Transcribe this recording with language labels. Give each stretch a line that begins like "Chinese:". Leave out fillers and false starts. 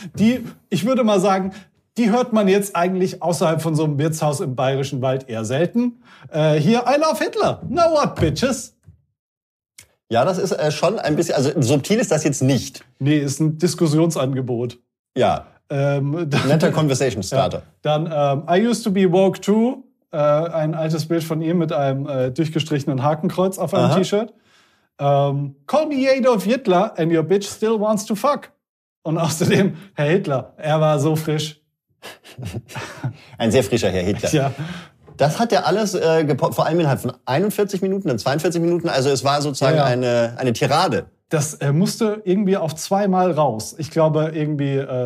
German: Die, ich würde mal sagen, die hört man jetzt eigentlich außerhalb von so einem Wirtshaus im Bayerischen Wald eher selten.
English: Hier, I love Hitler. Now what, bitches?
German: Ja, das ist schon ein bisschen, also subtil ist das jetzt nicht. Nee, ist ein Diskussionsangebot. Ja. Netter Conversation Starter. Ja.
English: Dann, I used to be woke too.
German: Ein altes Bild von ihm mit einem durchgestrichenen Hakenkreuz auf einem T-Shirt.
English: Call me Adolf Hitler and your bitch still wants to fuck.
German: Und außerdem, Herr Hitler, er war so frisch. Ein sehr frischer Herr Hitler. Ja. Das hat ja alles gepoppt, vor allem innerhalb von 41 Minuten, dann 42 Minuten. Also es war sozusagen eine Tirade. Das musste irgendwie auf zweimal raus. Ich glaube, irgendwie